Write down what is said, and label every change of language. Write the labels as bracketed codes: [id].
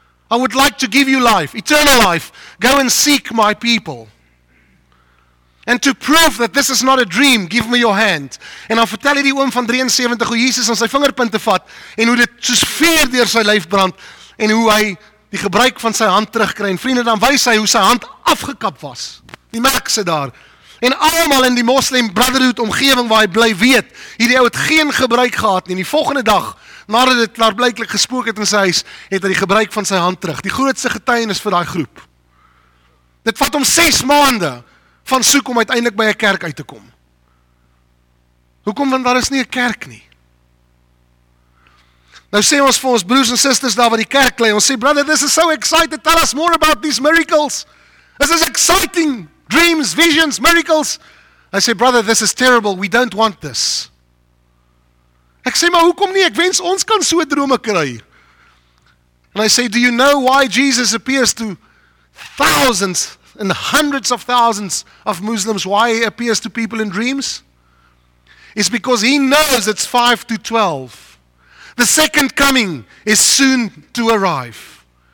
[en] I would like to give you life, eternal life. Go and seek my people. And to prove that this is not a dream, give me your hand. [af] En dan vertel hy die oom van 73 hoe Jesus aan sy vingerpunte vat en hoe dit soos vuur deur sy lyf brand en hoe hy die gebruik van sy hand terugkry. En vriende, dan wys hy hoe sy hand afgekap was. Die merk sit daar. En almal in die Muslim Brotherhood omgewing waar hy bly weet, hierdie ou het geen gebruik gehad nie. En die volgende dag, nadat dit klaarblyklik gespook het in sy huis, het hy die gebruik van sy hand terug. Die grootste getuienis vir daai groep. Dit vat hom 6 maande van soek om uiteindelik by 'n kerk uit te kom. Hoekom? Want daar is nie 'n kerk nie. Nou sê ons vir ons broers en susters daar wat die kerk lei, ons sê, [en] brother, this is so exciting, tell us more about these miracles. This is exciting. dreams, visions, miracles. I say, brother, this is terrible. We don't want this. [af] Ek sê, maar hoekom nie? Ek wens ons kan so drome kry. [en] And I say, do you know why Jesus appears to thousands and hundreds of thousands of Muslims? Why he appears to people in dreams? It's because he knows it's 5 to 12. The second coming is soon to arrive.